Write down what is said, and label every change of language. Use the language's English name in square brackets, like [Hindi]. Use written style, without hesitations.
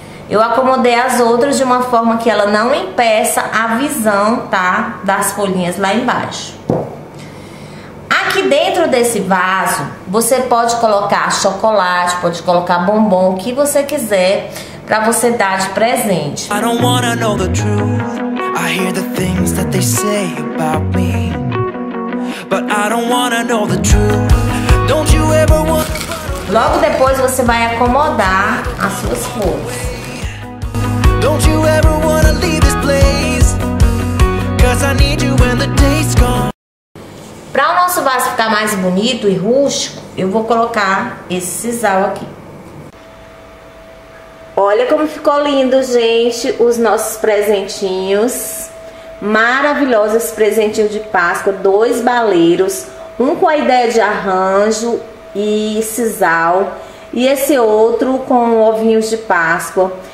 [Portuguese] Eu acomodei as outras de uma forma que ela não impeça a visão, tá? Das folhinhas lá embaixo. Aqui dentro desse vaso, você pode colocar chocolate, pode colocar bombom, o que você quiser, pra você dar de presente. [English] I don't wanna know the truth. I hear the things that they say about me. But I don't wanna know the truth. Don't you ever want... [Portuguese] Logo depois você vai acomodar as suas folhas. [English] Don't you ever wanna leave this place? 'Cause I need you when the day's gone. [Portuguese] Para o nosso vaso ficar mais bonito e rústico, eu vou colocar esse sisal aqui. Olha como ficou lindo, gente, os nossos presentinhos. Maravilhosos esses presentinhos de Páscoa, dois baleiros, um com a ideia de arranjo e sisal, e esse outro com ovinhos de Páscoa.